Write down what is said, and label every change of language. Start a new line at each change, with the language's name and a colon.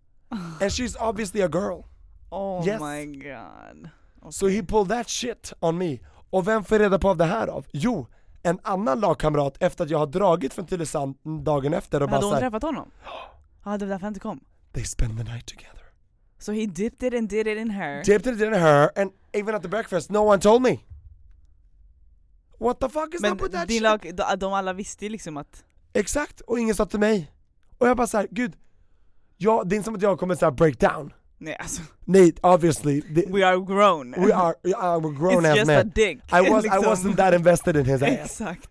English: And she's obviously a girl. Oh yes. My god. Okay. So he pulled that shit on me.
Swedish: Och vem får reda på av det här av? Jo, en annan lagkamrat efter att jag har dragit från Tillesand dagen efter. Och hade hon träffat honom? Ja, det var därför han inte kom.
English: They spend the night together. So he dipped it and did it in her. And even at the breakfast, no one told me. What the fuck is
Swedish: men
English: up with that shit?
Swedish: Lag, de alla visste liksom att... Exakt, och ingen sa till mig. Och jag bara såhär, gud. Jag, det är inte som att jag kommer såhär
English: break down.
Swedish: Nej, alltså. Nej,
English: obviously. We are grown. We're grown. It's just man. A dick. I wasn't that invested in his ass.
Swedish: Exakt.